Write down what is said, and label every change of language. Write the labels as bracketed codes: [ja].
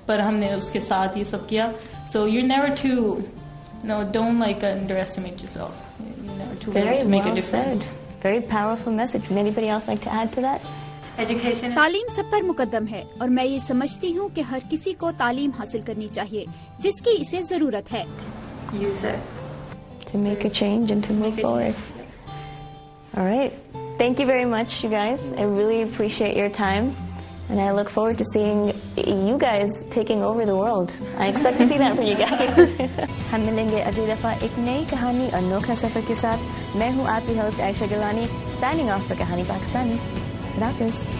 [ur] پر ہم نے اس کے ساتھ یہ سب کیا. [en] So you never to know don't like underestimate yourself, very powerful message. Anybody else like to add to that? [ur] تعلیم سب پر مقدم ہے اور میں یہ سمجھتی ہوں کہ ہر کسی کو تعلیم حاصل کرنی چاہیے جس کی اسے ضرورت ہے. [en] To make a change and to move forward. All right. Thank you very much, you guys. I really appreciate your time and I look forward to seeing you guys taking over the world. I expect to see that for you guys. [ur] ہم ملیں گے اگلی دفعہ ایک نئی کہانی اور انوکھا سفر کے ساتھ. میں ہوں آپ کی host Aisha Gilani, [en] signing off for [ur] کہانی پاکستانی. [en] That is...